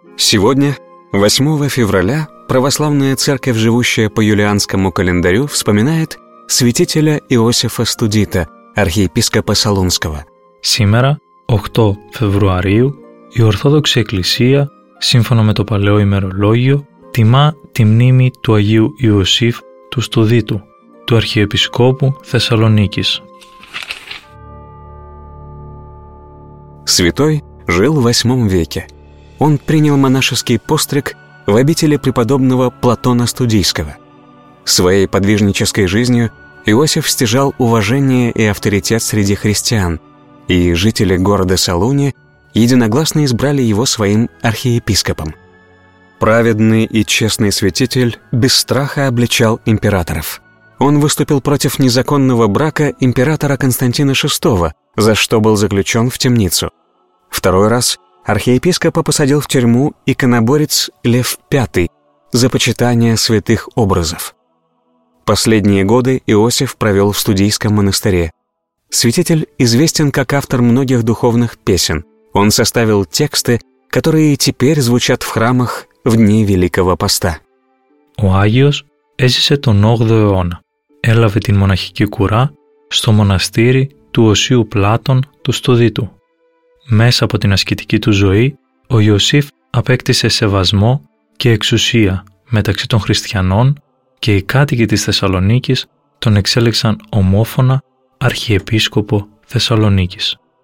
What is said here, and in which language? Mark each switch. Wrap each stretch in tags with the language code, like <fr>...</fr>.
<ru>Сегодня, 8 февраля, православная церковь, живущая по юлианскому календарю, вспоминает святителя Иосифа Студита, архиепископа Солунского. Сегодня, 8 февраля,</ru> <el>η Ορθόδοξη Εκκλησία, σύμφωνα με το παλαιό ημερολόγιο, τιμά τη μνήμη του Αγίου Ιωσήφ του Στουδίτου, του Αρχιεπισκόπου Θεσσαλονίκης.</el> <ru>Святой жил в VIII веке. Он принял монашеский постриг в обители преподобного Платона Студийского. Своей подвижнической жизнью Иосиф стяжал уважение и авторитет среди христиан, и жители города Солуни единогласно избрали его своим архиепископом. Праведный и честный святитель без страха обличал императоров. Он выступил против незаконного брака императора Константина VI, за что был заключен в темницу. Второй раз архиепископа посадил в тюрьму иконоборец Лев V за почитание святых образов. Последние годы Иосиф провел в Студийском монастыре. Святитель известен как автор многих духовных песен. Он составил тексты, которые теперь звучат в храмах в дни Великого Поста.</ru> <el>Ο Άγιος έζησε τον 8ο αιώνα. Έλαβε την μοναχική κουρά στο μοναστήρι του Οσίου Πλάτων του Στουδίτου. Μέσα από την ασκητική του ζωή, ο Ιωσήφ απέκτησε σεβασμό και εξουσία μεταξύ των χριστιανών και οι κάτοικοι της Θεσσαλονίκης τον εξέλεξαν ομόφωνα Αρχιεπίσκοπο Θεσσαλονίκης.</el>